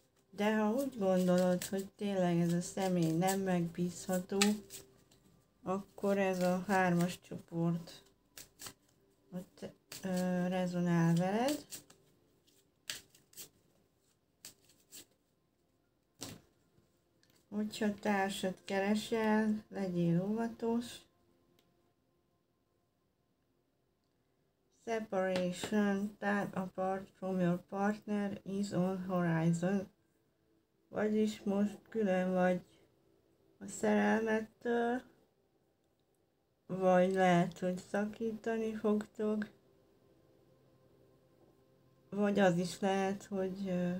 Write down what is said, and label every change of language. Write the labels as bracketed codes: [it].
[hu] De ha úgy gondolod, hogy tényleg ez a személy nem megbízható, akkor ez a hármas csoport ott rezonál veled. Hogyha társat keresel, legyél óvatos. [en] Separation, time apart from your partner is on horizon. [hu] Vagyis most külön vagy a szerelmettől, vagy lehet, hogy szakítani fogtok, vagy az is lehet, hogy